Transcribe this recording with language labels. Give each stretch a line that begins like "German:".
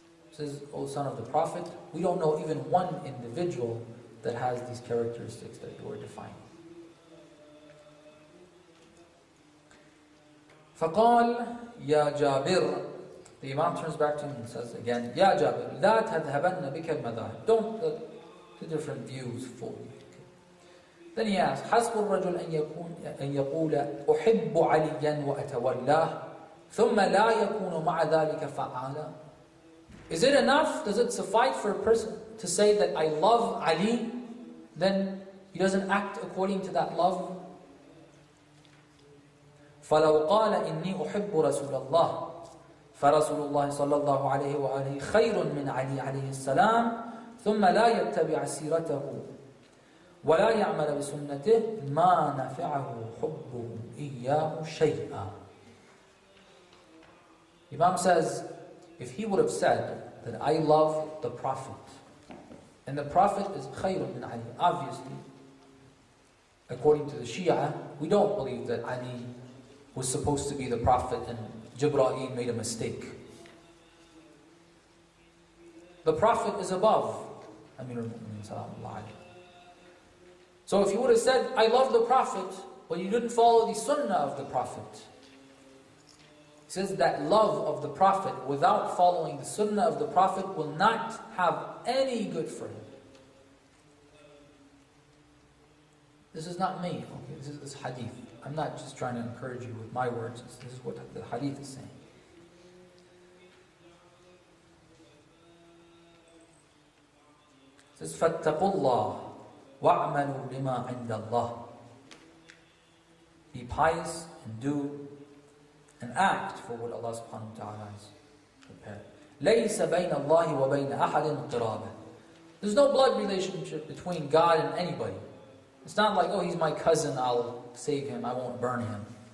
English: Says, O son of the Prophet, we don't know even one individual that has these characteristics that you are defining.
Arabic: فقال يا جابر.
English: The Imam turns back to him and says again,
Arabic: يا جابر لا تذهبن بك المذاهب.
English: Don't let the different views fall. Then he asks,
Arabic: حسب الرجل أن يقول أحب عليا وأتولاه ثم لا يكون مع ذلك فعالا.
English: Is it enough? Does it suffice for a person to say that I love Ali? Then he doesn't act according to that love.
Arabic: فلو قال إني أحب رسول الله فرسول الله صلى الله عليه وآله خير من علي عليه السلام ثم لا يتبع سيرته ولا يعمل بسنته ما نفعه حبه إياه شيئا.
English: Imam says, if he would have said that I love the Prophet, and the Prophet is khayrun min Ali, obviously, according to the Shia, we don't believe that Ali was supposed to be the Prophet and Jibra'il made a mistake. The Prophet is above Amirul Mu'minin salamu alayhi. So if he would have said, I love the Prophet, but you didn't follow the Sunnah of the Prophet, he says that love of the Prophet without following the Sunnah of the Prophet will not have any good for him. This is not me, okay? This is this hadith. I'm not just trying to encourage you with my words. This is what the hadith is saying. It says,
Arabic: فَاتَّقُوا اللَّهِ وَاعْمَلُوا لِمَا عِنْدَ اللَّهِ.
English: Be pious and do and act for what Allah subhanahu wa ta'ala has prepared.
Arabic: لَيْسَ بَيْنَ اللَّهِ وَبَيْنَ أَحَدٍ قِرَابًا.
English: There's no blood relationship between God and anybody. It's not like, oh, he's my cousin, I'll save him, I won't burn him.